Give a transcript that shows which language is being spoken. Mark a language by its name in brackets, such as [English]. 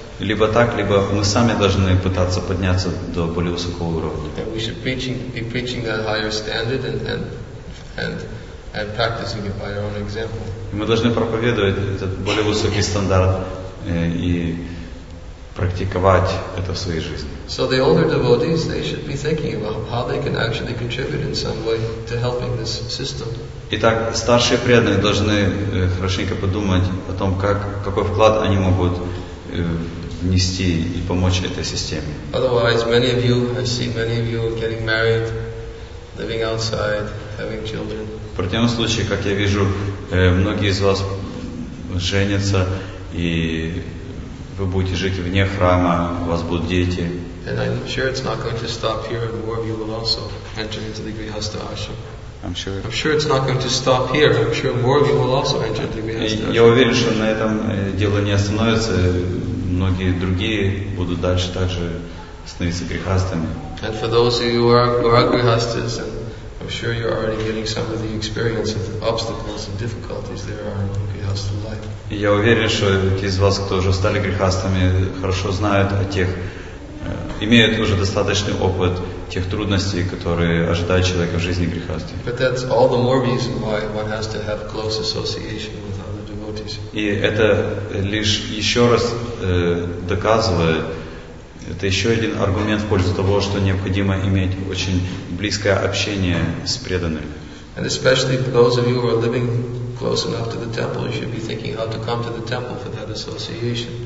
[Russian] Либо так, либо мы сами должны пытаться подняться до более высокого уровня. [English] We should be preaching that higher standard and practicing it by our own example. [Russian] Мы должны проповедовать этот более высокий стандарт и практиковать это в своей жизни. [English] So the older devotees, they should be thinking about how they can actually contribute in some way to helping this system. [Russian] Итак, старшие преданные должны хорошенько подумать о том, какой вклад они могут внести и помочь этой системе. [English] Otherwise, many of you, I see many of you getting married, living outside, having children. [Russian] В противном случае, как я вижу, многие из вас женятся и вы будете жить вне храма, у вас будут дети. [English] And I'm sure it's not going to stop here, and more of you will also enter into the Grihastha Ashram. I'm sure it's not going to stop here. I'm sure more of you will also enter the Grihastha Ashram. [Russian] Я уверен, что на этом дело не остановится. Многие другие будут дальше также становиться грехастами. [English] And for those of you who are grihasthas, I'm sure you're already getting some of the experience of the obstacles and difficulties there are in grihastha life. [Russian] Я уверен, что те из вас, кто уже стали грехастами, хорошо знают о тех, имеют уже достаточный опыт тех трудностей, которые ожидают человека в жизни грехастхи. [English] But that's all the more reason why one has to have close association with other devotees. [Russian] И это лишь еще раз доказывает, это еще один аргумент в пользу того, что необходимо иметь очень близкое общение с преданными. [English] And especially those of you who are living close enough to the temple, you should be thinking how to come to the temple for that association.